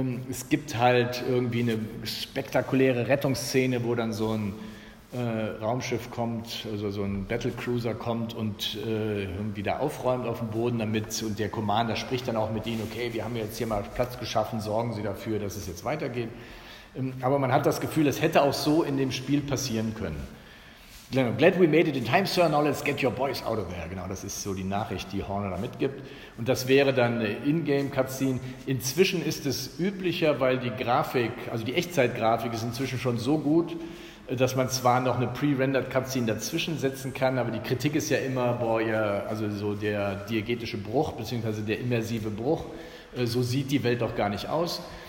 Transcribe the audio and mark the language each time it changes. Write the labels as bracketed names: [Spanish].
[German] Es gibt halt irgendwie eine spektakuläre Rettungsszene, wo dann so ein Raumschiff kommt, also so ein Battlecruiser kommt und irgendwie da aufräumt auf dem Boden damit. Und der Commander spricht dann auch mit Ihnen, okay, wir haben jetzt hier mal Platz geschaffen, sorgen Sie dafür, dass es jetzt weitergeht. Aber man hat das Gefühl, es hätte auch so in dem Spiel passieren können. [English] Glad we made it in time, sir, now let's get your boys out of there. [German] Genau, das ist so die Nachricht, die Horner da mitgibt. Und das wäre dann eine In-Game-Cutscene. Inzwischen ist es üblicher, weil die Grafik, also die Echtzeitgrafik ist inzwischen schon so gut, dass man zwar noch eine Pre-Rendered-Cutscene dazwischen setzen kann, aber die Kritik ist ja immer, boah, ja, also so der diegetische Bruch, beziehungsweise der immersive Bruch, so sieht die Welt doch gar nicht aus.